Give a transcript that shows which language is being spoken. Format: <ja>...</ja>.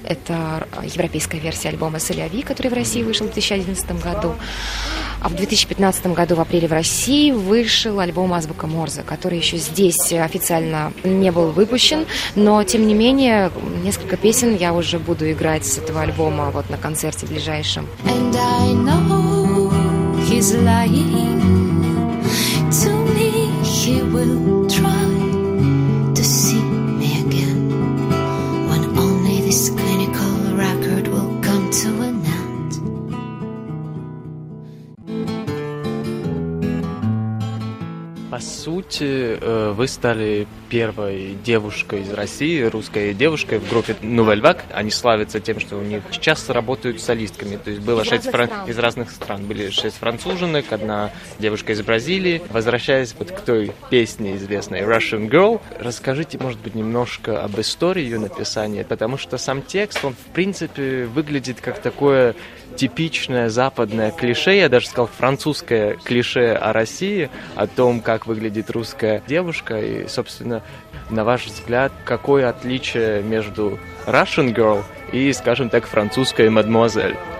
<ru>Это европейская версия альбома «Соляви», который в России вышел в 2011 году. А в 2015 году, в апреле, в России вышел альбом «Азбука Морзе», который еще здесь официально не был выпущен, но, тем не менее, несколько песен я уже буду играть с этого альбома вот на концерте ближайшем.</ru> <en>And I know he's lying to me, he will try to see me again when only this clinical record will come to an end.</en> <ru>По сути, вы стали первой девушкой из России, русской девушкой в группе «Новоливак». Они славятся тем, что у них часто работают солистками. То есть было из разных стран. Были 6 француженок, одна девушка из Бразилии. Возвращаясь вот к той песне известной «Russian Girl», расскажите, может быть, немножко об истории ее написания, потому что сам текст, он, в принципе, выглядит как такое типичное западное клише, я даже сказал французское клише о России, о том, как выглядит русская девушка, и, собственно, на ваш взгляд, какое отличие между Russian girl и, скажем так, французской мадемуазель?</ru>